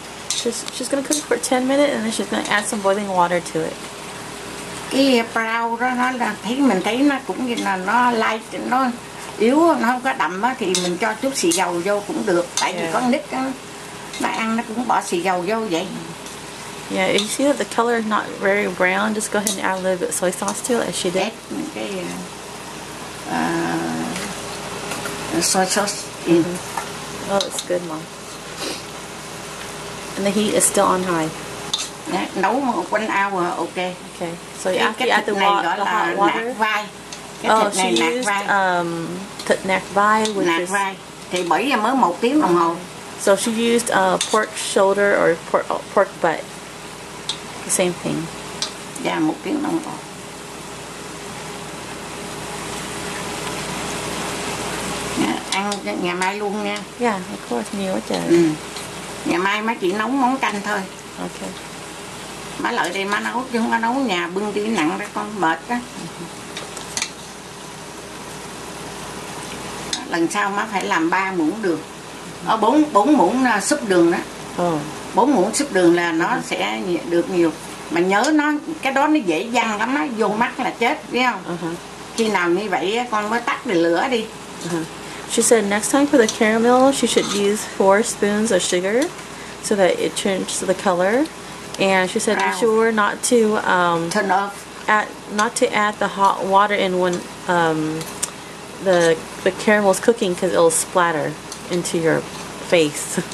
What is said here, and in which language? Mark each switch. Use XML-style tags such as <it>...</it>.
<en>She's gonna cook for 10 minutes and then she's gonna add some boiling water to it.</en> <vi>Cái brown đó nó là thấy mình thấy nó cũng như là nó light, nó yếu, nó không có đậm á, thì mình cho chút xì dầu vô cũng được. Tại vì con nít á, nó ăn nó cũng bỏ xì dầu vô vậy.</vi> <en>Yeah, if you see that the color is not very brown, just go ahead and add a little bit of soy sauce to it as she did. Add soy sauce in. Mm-hmm. Oh, that's good, Mom. And the heat is still on high.</en> <vi>Nấu 1 hour, okay.</vi> <en>Okay. So you have to add the hot water.</en> <vi>Cái</vi> <en>oh, she</en> <vi>này,</vi> <en>used</en> <vi>thịt nạc vai. Nạc vai. Thì bởi giờ mới 1 tiếng đồng hồ.</vi> <en>So she used pork shoulder or pork butt. The same thing.</en> <vi>Yeah, 1 tiếng đồng hồ. Ăn ngày mai luôn nha.</vi> <en>Yeah, of course,</en> <vi>nhiều quá trời. Ngày mai má chỉ nấu món canh thôi.</vi> <en>Okay.</en> <vi>Má lợi đi má nấu, chứ không có nấu nhà bưng đi nặng đó con, mệt đó. Lần sau má phải làm 3 muỗng đường. Ở 4 muỗng súp đường đó. 4 muỗng súp đường là nó sẽ được nhiều. Mà nhớ nó, cái đó nó dễ dằn lắm á, vô mắt là chết, biết không? Khi nào như vậy con mới tắt được lửa đi.</vi> <en>She said next time for the caramel, she should use 4 spoons of sugar so that it turns the color. And she said be sure not to turn off. Not to add the hot water in when the caramel is cooking because it'll splatter into your face.</en>